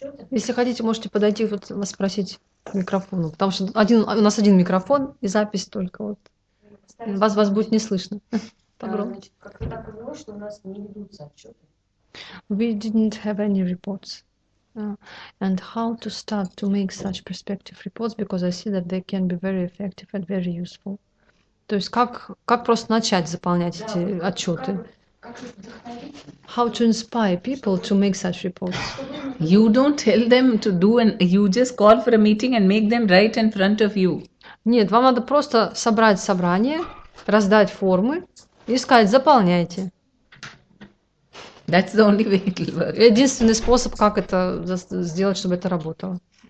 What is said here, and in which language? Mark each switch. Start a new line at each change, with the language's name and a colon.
Russian: Если хотите, можете подойти вот спросить к микрофону, потому что один у нас один микрофон и запись только вот. Вас будет не слышно. Погромче. Как-то так было, что у нас не ведутся отчеты.
English: We didn't have any reports. And how to start to make such perspective reports, because I see that they can be very effective and very useful.
Russian: То есть как просто начать заполнять эти отчеты?
English: How to inspire people to make such reports? You don't tell them to do and you just call for a meeting and make them write in front of you.
Russian: Нет, вам надо просто собрать собрание, раздать формы и сказать, заполняйте.
English: That's the only way it will work.
Russian: Единственный способ, как это сделать, чтобы это работало.